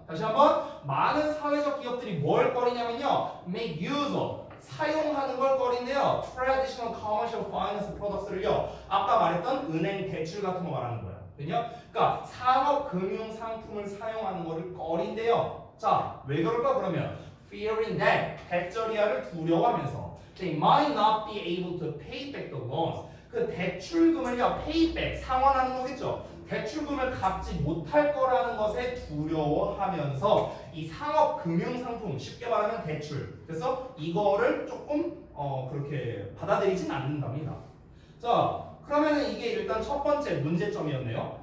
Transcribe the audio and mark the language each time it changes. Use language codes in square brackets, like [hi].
[ko] 다시 한번 많은 사회적 기업들이 뭘 꺼리냐면요, [en] make use of [ko] 사용하는 걸 꺼리는데요, [en] traditional commercial finance products [ko] 를요, 아까 말했던 은행 대출 같은 거 말하는 거예요. 그냥 그러니까 상업 금융 상품을 사용하는 거를 꺼린대요. 자, 왜 그럴까 그러면. [en] Fearing that, [ko] 대출이야를 두려워하면서 [en] They might not be able to pay back the loans. [ko] 그 대출금을요, [en] pay back, [ko] 상환하는 거겠죠. 대출금을 갚지 못할 거라는 것에 두려워하면서 이 상업 금융 상품, 쉽게 말하면 대출, 그래서 이거를 조금 그렇게 받아들이진 않는답니다. 자, 그러면 이게 일단 첫 번째 문제점이었네요.